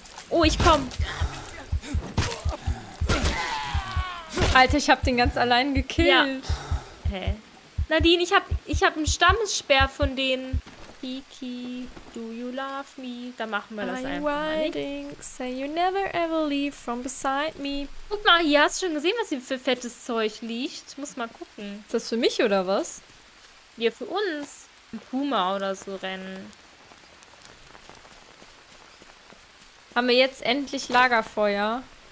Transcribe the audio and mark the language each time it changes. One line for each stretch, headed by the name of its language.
German: Oh, ich komm. Alter, ich habe den ganz allein gekillt. Ja. Hä? Nadine, ich hab einen Stammessperr von denen.
English: Kiki, do you love me?
German: Da machen wir das einfach.
English: I'm riding, say you never ever leave from beside me.
German: Guck mal, hier hast du schon gesehen, was hier für fettes Zeug liegt. Muss mal gucken. Ist das für mich oder was? Ja, für uns. Ein Puma oder so rennen. Haben wir jetzt endlich Lagerfeuer?